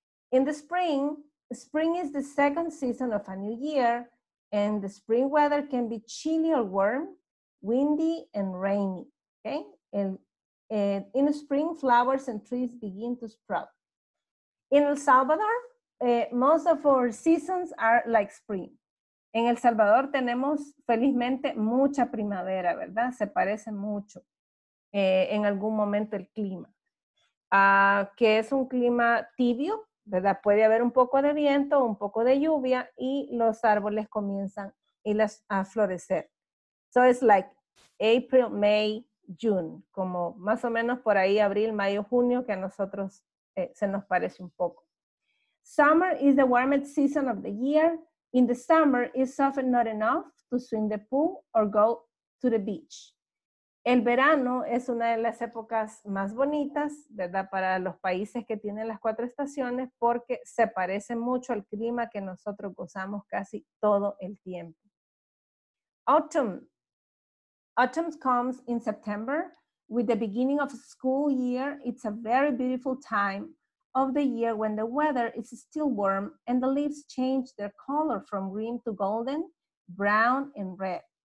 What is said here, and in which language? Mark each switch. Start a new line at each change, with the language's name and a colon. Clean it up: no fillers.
English: In the spring, spring is the second season of a new year and the spring weather can be chilly or warm, windy and rainy, okay? And in the spring, flowers and trees begin to sprout. In El Salvador, most of our seasons are like spring.
Spanish: En El Salvador tenemos, felizmente, mucha primavera, ¿verdad? Se parece mucho en algún momento el clima. que es un clima tibio, ¿verdad? Puede haber un poco de viento, un poco de lluvia y los árboles comienzan a florecer.
English: So it's like April, May, June,
Spanish: como más o menos por ahí abril, mayo, junio, que a nosotros se nos parece un poco.
English: Summer is the warmest season of the year. In the summer, it's often not enough to swim the pool or go to the beach.
Spanish: El verano es una de las épocas más bonitas, ¿verdad? Para los países que tienen las cuatro estaciones, porque se parece mucho al clima que nosotros gozamos casi todo el tiempo.
English: Autumn. Autumn comes in September. With the beginning of school year, it's a very beautiful time of the year when the weather is still warm and the leaves change their color from green to golden, brown, and red.